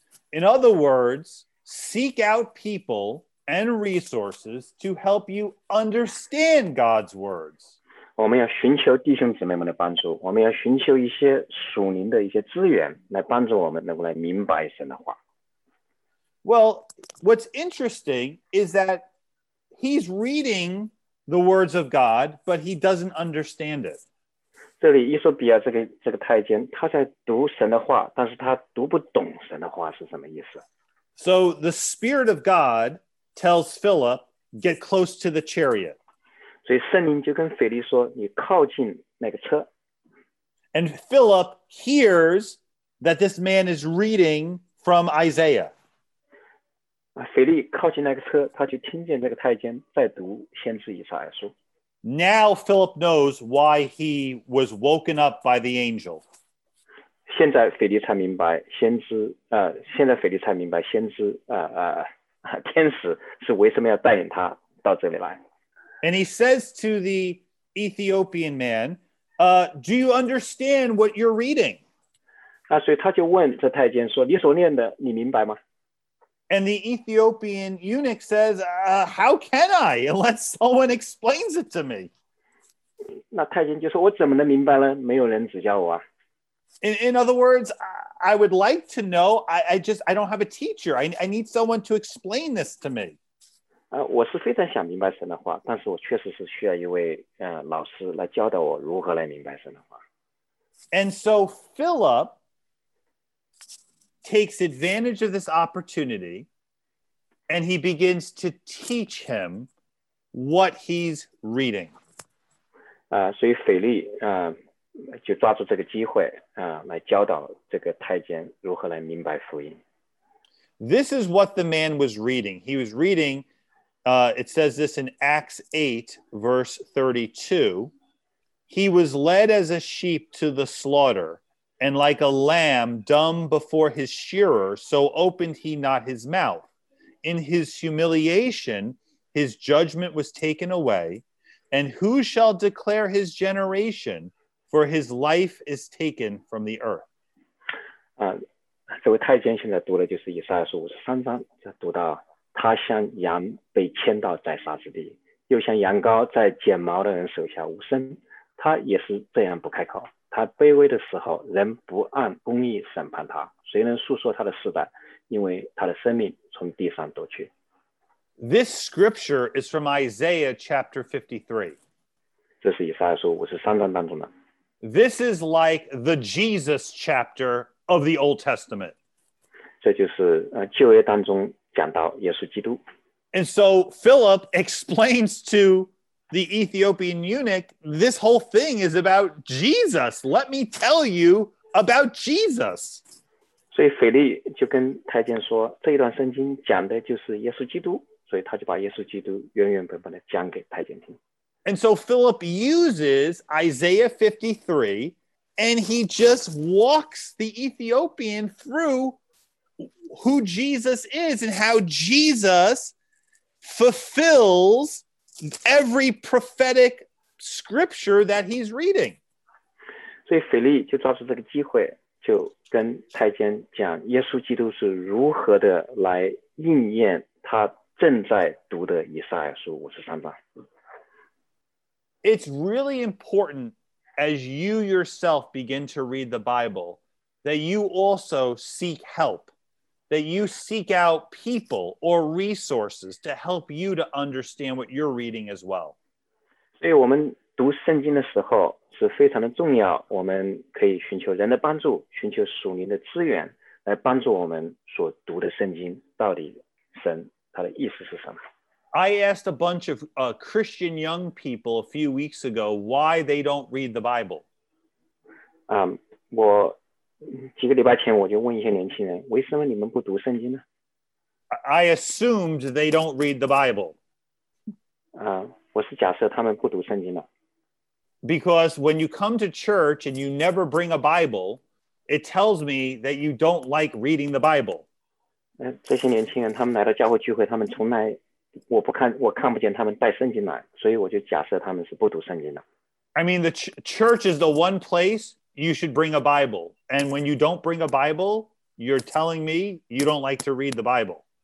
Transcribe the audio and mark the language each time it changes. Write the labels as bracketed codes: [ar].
[en] In other words, seek out people and resources to help you understand God's words. [zh] 我们要寻求弟兄姊妹们的帮助，我们要寻求一些属灵的一些资源来帮助我们能够来明白神的话。 [en] Well, what's interesting is that he's reading the words of God, but he doesn't understand it. [zh] 这里伊索比亚这个太监，他在读神的话，但是他读不懂神的话是什么意思。 [en] So the Spirit of God tells Philip, get close to the chariot. [zh] 所以圣灵就跟腓力说，你靠近那个车。 [en] And Philip hears that this man is reading from Isaiah. [zh] 腓力靠近那个车，他就听见这个太监在读先知以赛亚书。 [en] Now Philip knows why he was woken up by the angel. [zh] 现在腓力才明白先知，现在腓力才明白先知，天使是为什么要带领他到这里来。 [en] And he says to the Ethiopian man, do you understand what you're reading? [zh] 所以他就问这太监说，你所念的你明白吗？ [en] And the Ethiopian eunuch says, how can I unless someone explains it to me? [zh] 那太监就说，我怎么能明白呢？没有人指教我啊。 [en] In other words, I would like to know, I don't have a teacher. I need someone to explain this to me. [zh] 我是非常想明白神的话，但是我确实是需要一位老师来教导我如何来明白神的话。 [en] And so Philip takes advantage of this opportunity and he begins to teach him what he's reading. [zh] 所以腓力就抓住这个机会来教导这个太监如何来明白福音。 [en] This is what the man was reading. He was reading, it says this in Acts 8, verse 32. He was led as a sheep to the slaughter, and like a lamb dumb before his shearer, so opened he not his mouth. In his humiliation, his judgment was taken away. And who shall declare his generation? For his life is taken from the earth. [zh] 这位太监现在读的就是以赛亚书53章，读到他像羊被牵到宰杀之地，又像羊羔在剪毛的人手下无声。他也是这样不开口，他卑微的时候，人不按公义审判他。谁能诉说他的世代？因为他的生命从地上夺去。 [en] This scripture is from Isaiah chapter 53. [zh] 这是以赛亚书53章当中的。 [en] This is like the Jesus chapter of the Old Testament. [zh] 这就是旧约当中讲到耶稣基督。 [en] And so Philip explains to the Ethiopian eunuch, this whole thing is about Jesus. Let me tell you about Jesus. [zh] 所以腓力就跟太监说，这一段圣经讲的就是耶稣基督，所以他就把耶稣基督原原本本的讲给太监听。 [en] And so Philip uses Isaiah 53 and he just walks the Ethiopian through who Jesus is and how Jesus fulfills every prophetic scripture that he's reading. [zh] 所以腓力就抓住这个机会，就跟太监讲耶稣基督是如何的来应验他正在读的以赛亚书53章。 [en] It's really important as you yourself begin to read the Bible that you also seek help, that you seek out people or resources to help you to understand what you're reading as well. [zh] 所以我们读圣经的时候是非常的重要，我们可以寻求人的帮助，寻求属灵的资源来帮助我们所读的圣经到底神他的意思是什么。 [en] I asked a bunch of Christian young people a few weeks ago why they don't read the Bible. [zh] 我几个礼拜前我就问一些年轻人，为什么你们不读圣经呢？ [en] I assumed they don't read the Bible. [zh] 我是假设他们不读圣经的。 [en] Because when you come to church and you never bring a Bible, it tells me that you don't like reading the Bible. [zh] 这些年轻人他们来到教会聚会，他们从来我看不见他们带圣经来，所以我就假设他们是不读圣经的。 [en] I mean, the church is the one place you should bring a Bible. And when you don't bring a Bible, you're telling me you don't like to read the Bible.